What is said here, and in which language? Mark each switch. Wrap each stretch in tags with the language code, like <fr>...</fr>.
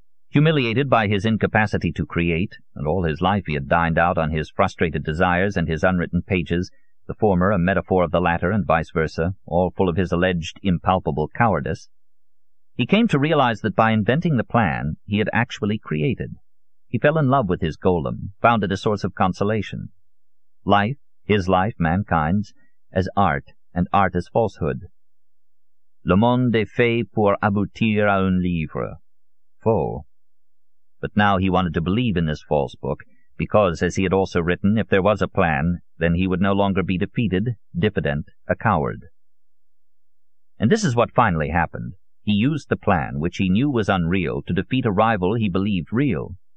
<en>Humiliated by his incapacity to create, and all his life he had dined out on his frustrated desires and his unwritten pages, the former a metaphor of the latter and vice versa, all full of his alleged impalpable cowardice, he came to realize that by inventing the plan, he had actually created. He fell in love with his golem, found it a source of consolation. Life, his life, mankind's, as art, and art as falsehood.</en> <fr>Le monde est fait pour aboutir à un livre. Faux.</fr> <en>But now he wanted to believe in this false book, because, as he had also written, if there was a plan, then he would no longer be defeated, diffident, a coward. And this is what finally happened. He used the plan, which he knew was unreal, to defeat a rival he believed real.</en>